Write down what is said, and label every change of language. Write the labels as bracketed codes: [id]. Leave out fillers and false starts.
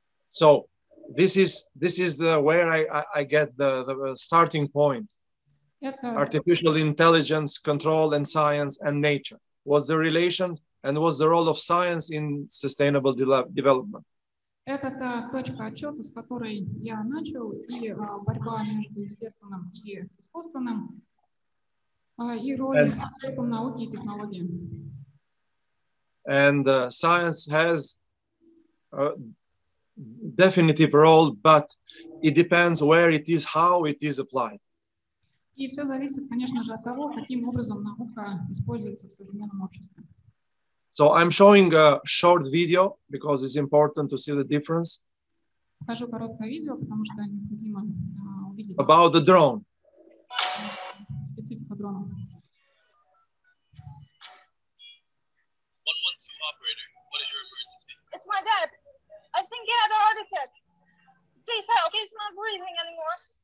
[en] So this is the where I get the starting point. Artificial intelligence, control and science and nature. What's the relation? And what's the role of science in sustainable development? [ru] Это та точка отчета, с которой я начал, и борьба между естественным и искусственным, и роль в науке и технологии. [en] And science has a definitive role, but it depends where it is, how it is applied. [ru] И все зависит, конечно же, от того, каким образом наука используется в современном обществе. [en] So I'm showing a short video because it's important to see the difference. [ru] Покажу короткое видео, потому что необходимо увидеть. [en] About the drone. [ru] Специфика дрона. [en] 112 operator, what is your emergency? It's my dad. I think he had a heart attack. Please help. He's not breathing anymore.